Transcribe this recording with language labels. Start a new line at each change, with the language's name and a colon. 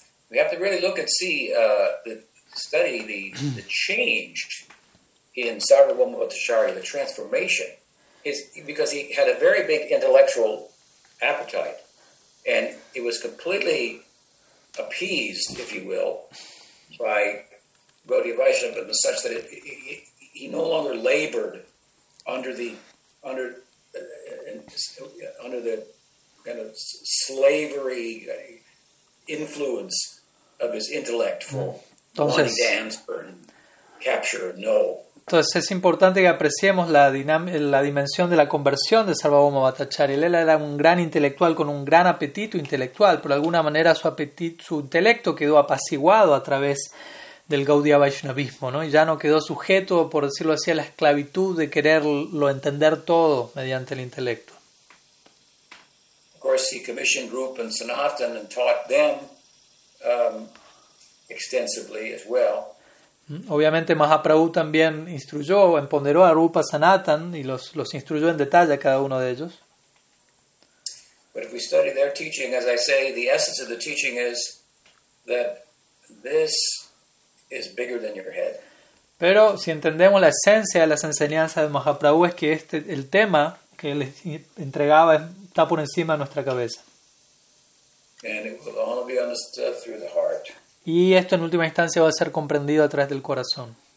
English: We have to really look and see, study the change in Sarvabhauma Bhattacharya, the transformation. Is because he had a very big intellectual appetite, and it was completely appeased, if you will, by Gaudiya Vaishnava, such that he no longer labored under the kind of slavery influence of his intellect for wanting to answer and capture and know.
Spanish: Entonces es importante que apreciemos la dimensión de la conversión de Sarvabhauma Bhattacharya. Él era un gran intelectual con un gran apetito intelectual. Por alguna manera su intelecto quedó apaciguado a través del Gaudiya Vaishnavismo, ¿no? Y ya no quedó sujeto, por decirlo así, a la esclavitud de quererlo entender todo mediante el intelecto.
English: Of course, he commissioned Rupa and Sanatan and taught them extensively as well.
Spanish: Obviamente Mahaprabhu también instruyó, empoderó a Rupa Sanatan y los instruyó en detalle a cada uno de ellos.
English: But if we study their teaching, as I say, the essence of the teaching is that this is bigger than your head.
Spanish: Pero si entendemos la esencia de las enseñanzas de Mahaprabhu es que el tema que él entregaba está por encima de nuestra cabeza.
English: And it will only be understood through the heart.
Spanish: Y esto en última instancia va a ser comprendido a través del corazón.